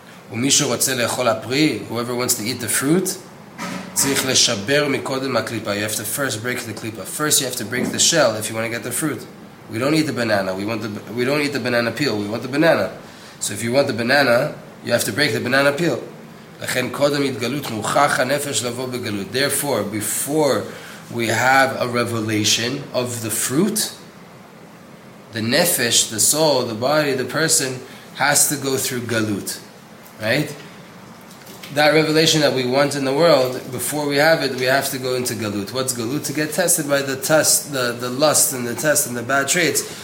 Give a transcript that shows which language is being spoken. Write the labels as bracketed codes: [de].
[he] Umisho rotze lechol apri, [en] whoever wants to eat the fruit, [he] צריך לשבר מקודם הקליפה. [en] You have to first break the klipa. First you have to break the shell if you want to get the fruit. We don't eat the banana. We don't eat the banana peel. We want the banana. So if you want the banana, you have to break the banana peel. [he] לכן קודם התגלות מוכרח הנפש לבוא בגלות. [en] Therefore, before we have a revelation of the fruit, the nefesh, the soul, the body, the person, has to go through galut, right? That revelation that we want in the world, before we have it, we have to go into galut. What's galut? To get tested by the test, the lust and the test and the bad traits.